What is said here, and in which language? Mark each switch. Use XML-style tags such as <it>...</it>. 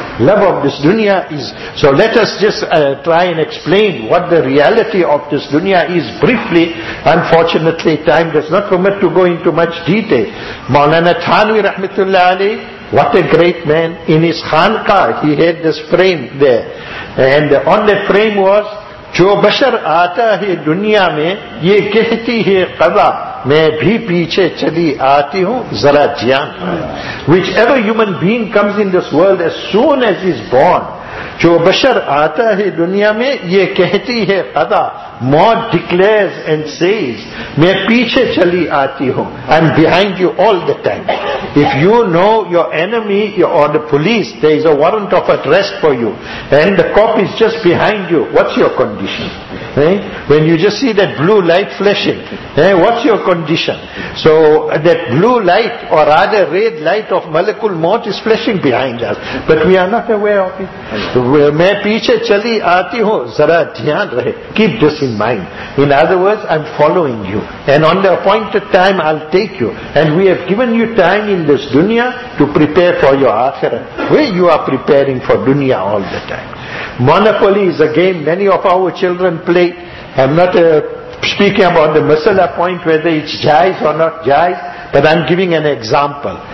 <en>Love of this dunya is... So let us just try and explain what the reality of this dunya is briefly. Unfortunately, time does not permit to go into much detail. Maulana Thanwi Rahmatullah Ali, what a great man. In his khanqa, he had this frame there. And on the frame was,</en> <ur>جو بشر آتا ہے دنیا میں یہ کہتی ہے قضا میں بھی پیچھے چلی آتی ہوں ذرا جیان.</ur> <en>Whichever human being comes in this world, as soon as he is born,</en> <ur>جو بشر آتا ہے دنیا میں یہ کہتی ہے قضا,</ur> <en>موت declares and says,</en> <ur>میں پیچھے چلی آتی ہوں,</ur> <en>I'm behind you all the time. If you know your enemy or the police, there is a warrant of arrest for you, and the cop is just behind you, what's your condition? When you just see that blue light flashing, what's your condition? So that blue light, or rather red light of Malakul Maut, is flashing behind us, but we are not aware of it.</en> <ur>میں پیچھے چلی آتی ہوں ذرا دھیان رہے.</ur> <en>Keep this in mind. In other words, I'm following you, and on the appointed time I'll take you, and we have given you time in this dunya to prepare for your akhirah, where you are preparing for dunya all the time. Monopoly is a game many of our children play. I'm not speaking about the masala point, whether it's jais or not jais, but I'm giving an example.</en>